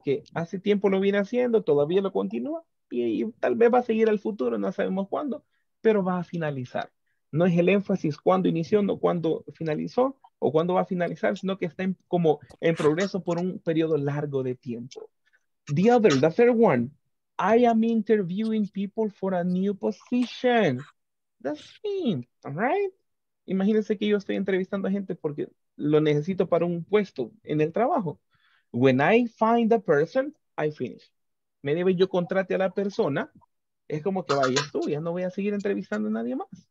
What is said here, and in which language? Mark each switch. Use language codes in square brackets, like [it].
[es] Que hace tiempo lo viene haciendo, todavía lo continúa y tal vez va a seguir al futuro, no sabemos cuándo, pero va a finalizar. No es el énfasis cuándo inició, no cuándo finalizó o cuándo va a finalizar, sino que está como en progreso por un periodo largo de tiempo. [en] The third one, I am interviewing people for a new position. That's me, all right? [es] Imagínense que yo estoy entrevistando a gente porque lo necesito para un puesto en el trabajo. [en] When I find a person, I finish. [es] Me debe yo contrate a la persona. Es como que vayas tú, ya no voy a seguir entrevistando a nadie más.